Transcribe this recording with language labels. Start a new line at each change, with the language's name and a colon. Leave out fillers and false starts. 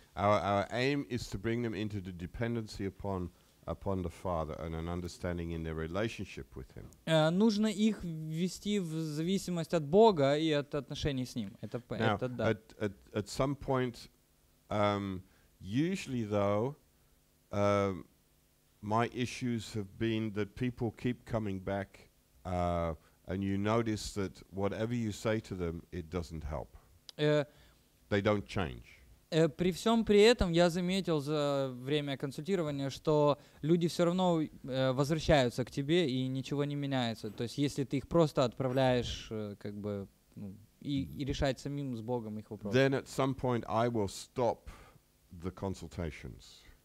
English: Our aim is to bring them into the dependency upon the Father and an understanding in their relationship with Him.
Russian: Нужно их ввести в зависимость от Бога и от отношений с Ним. Это да.
English: At some point, usually though. My issues have been that people keep coming back, and you notice that whatever you say to them, it doesn't help. They don't change.
Russian: При всем при этом я заметил за время консультирования, что люди все равно возвращаются к тебе и ничего не меняется. То есть если ты их просто отправляешь, как бы и решать самим с Богом их вопросы.
English: Then at some point I will stop the consultations.